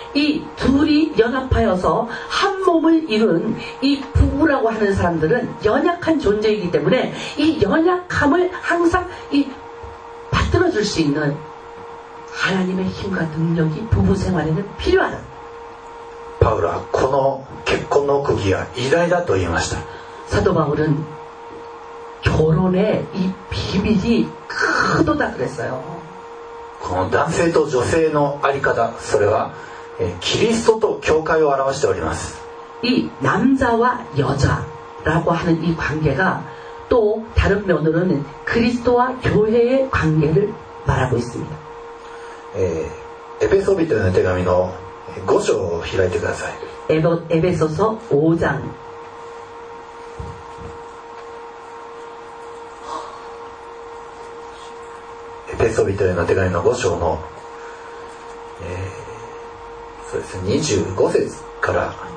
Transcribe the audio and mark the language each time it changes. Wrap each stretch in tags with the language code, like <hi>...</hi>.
<ko>이둘이연합하여서한몸을이룬이부부라고하는사람들은연약한존재이기때문에이연약함을항상이받들어줄수있는하나님의힘과능력이부부생활에는필요하다。</ko> <ja>パウロはこの結婚の奥義は偉大だと言いました。</ja> <ko>사도바울은결혼의이비밀이크도다그랬어요。</ko> <ja>この男性と女性の在り方、それはキリストと教会を表しております。</ja> <ko>이남자와여자라고하는이관계가또다른면으로는그리스도와교회의관계를말하고있습니다。</ko> <ja>エペソビトへの手紙の5章を開いてください。エペソソ5章、エペソビトへの手紙の5章の、そうですね、25節から。</ja>